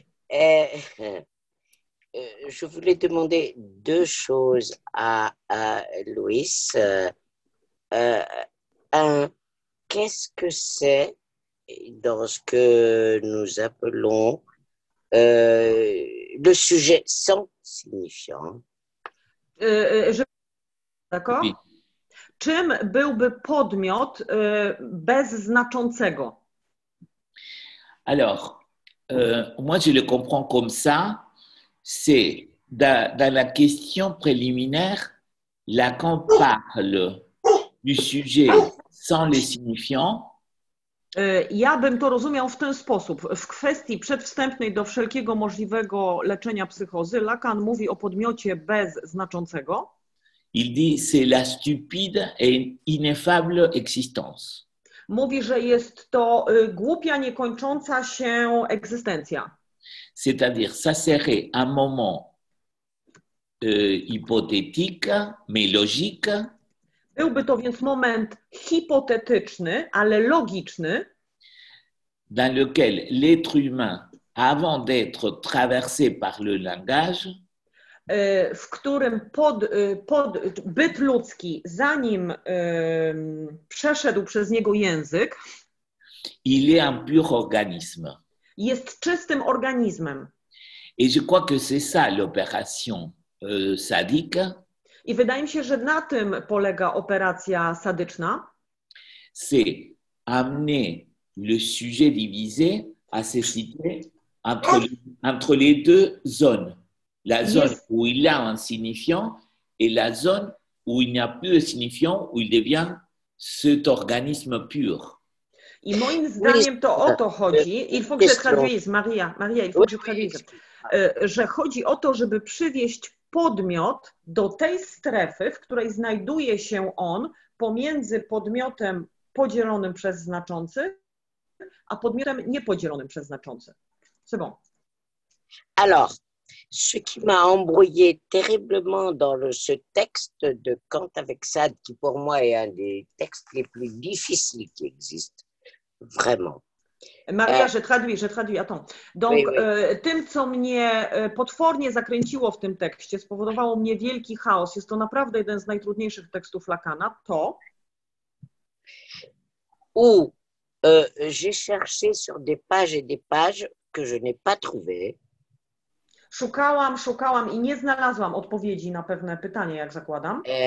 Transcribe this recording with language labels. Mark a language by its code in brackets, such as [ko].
[fr] Je voulais demander deux choses à Louis. Qu'est-ce que c'est dans ce que nous appelons le sujet sans signifiant? D'accord. Oui. [pl] Czym byłby podmiot bez znaczącego? [fr] Alors, moi je le comprends comme ça, c'est dans la question préliminaire, Lacan parle du sujet sans les signifiants, [pl] Ja bym to rozumiał w ten sposób. W kwestii przedwstępnej do wszelkiego możliwego leczenia psychozy, Lacan mówi o podmiocie bez znaczącego. [fr] Il dit c'est la stupide et ineffable existence. [pl] Mówi, że jest to głupia, niekończąca się egzystencja. [fr] C'est-à-dire, ça serait un moment hypothétique, mais logique. [pl] Byłby to więc moment hipotetyczny, ale logiczny. [fr] Dans lequel l'être humain, avant d'être traversé par le langage, [pl] w którym byt ludzki, zanim przeszedł przez niego język, [fr] il est un pur organisme. [pl] Jest czystym organizmem. [fr] Et je crois que c'est ça l'opération sadique. [pl] I wydaje mi się, że na tym polega operacja sadyczna. [fr] C'est amener le sujet divisé à se situer entre les deux zones. La zone où il a un signifiant et la zone où il n'y a plus de signifiant, où il devient cet organisme pur. [pl] I moim zdaniem to o to chodzi. [fr] Il faut que je traduise, Maria. Maria, il faut que je traduise. [pl] Że chodzi o to, żeby przywieźć podmiot do tej strefy, w której znajduje się on pomiędzy podmiotem podzielonym przez znaczący, a podmiotem niepodzielonym przez znaczący. [fr] C'est bon. Alors, ce qui m'a embrouillé terriblement dans ce texte de Kant avec Sade, qui pour moi est un des textes les plus difficiles qui existent, vraiment. Maria, je traduis, attends. Donc, oui, oui. [pl] Tym, co mnie potwornie zakręciło w tym tekście, spowodowało mnie wielki chaos, jest to naprawdę jeden z najtrudniejszych tekstów Lacana, to... [fr] Où j'ai cherché sur des pages et des pages que je n'ai pas trouvé. [pl] Szukałam i nie znalazłam odpowiedzi na pewne pytanie, jak zakładam.